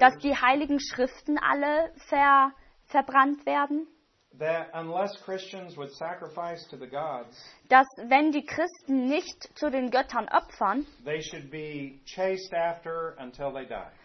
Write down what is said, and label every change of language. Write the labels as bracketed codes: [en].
[de] dass die heiligen Schriften alle verbrannt werden. [en] That unless Christians would sacrifice to the gods, [de] dass wenn die Christen nicht zu den Göttern opfern, [en] they should be chased after until they die.